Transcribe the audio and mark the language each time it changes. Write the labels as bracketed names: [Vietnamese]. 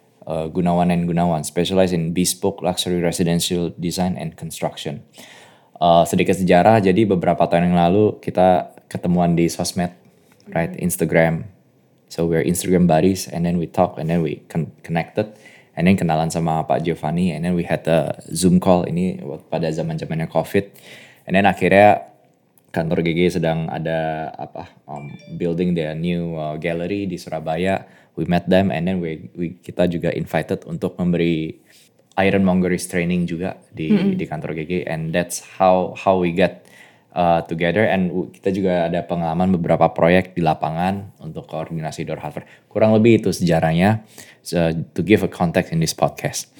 [English] Gunawan and Gunawan, specialize in bespoke luxury residential design and construction. [Indonesian] Sedikit sejarah, jadi beberapa tahun yang lalu kita ketemuan di sosmed, right, Instagram. [English] So we're Instagram buddies, and then we talk, and then we connected. And then [Indonesian] kenalan sama [English] Pak Giovanni, and then we had a Zoom call [Indonesian] ini pada zaman-zamannya [English] COVID. And then [Indonesian] akhirnya kantor GG sedang ada apa, [English] building their new gallery [Indonesian] di Surabaya. [English] We met them, and then [Indonesian] kita juga [English] invited [Indonesian] untuk memberi [English] ironmongers training [Indonesian] juga di kantor GG. [English] And that's how we get together. [Indonesian] And kita juga ada pengalaman beberapa proyek di lapangan untuk koordinasi door hardware. Kurang lebih itu sejarahnya. [English] So, to give a context in this podcast.